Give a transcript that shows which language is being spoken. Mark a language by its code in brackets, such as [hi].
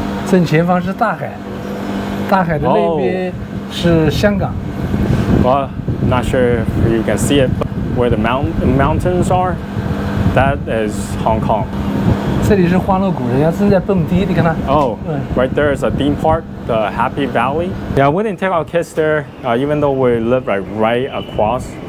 [zh] 正前方是大海，大海的那边是香港。 [en] Well, not sure if you can see it, but where the mountains are, that is Hong Kong. [zh] 这里是欢乐谷，人家正在蹦迪，你看它。 [en] Oh, right there is a theme park. The Happy Valley. Yeah, we didn't take our kids there, even though we live right across.